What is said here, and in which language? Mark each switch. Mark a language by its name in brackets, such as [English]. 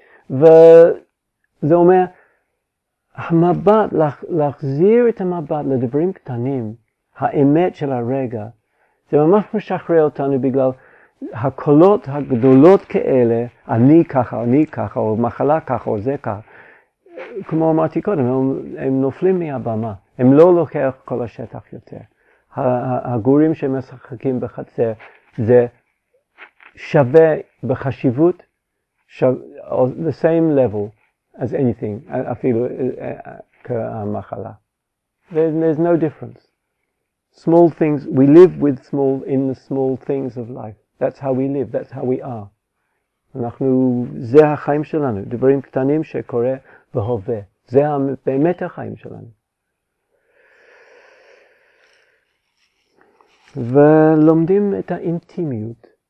[Hebrew] וזה אומר, המבט, להחזיר את המבט לדברים קטנים, האמת של הרגע, זה ממש משחרר אותנו בגלל הקולות הגדולות כאלה, אני ככה, אני ככה, או מחלה ככה, או זה ככה, כמו אמרתי קודם, הם נופלים מהבמה, הם לא לוקח כל השטח יותר. הגורים שמשחקים בחצר, זה שווה בחשיבות, [English] the same level as anything, [Hebrew] אפילו כמחלה. [English] There's no difference. Small things, we live with small, in the small things of life. That's how we live, that's how we are. [Hebrew] אנחנו, זה החיים שלנו, דברים קטנים שקורה בהווה. זה באמת החיים שלנו. ולומדים את האינטימיות.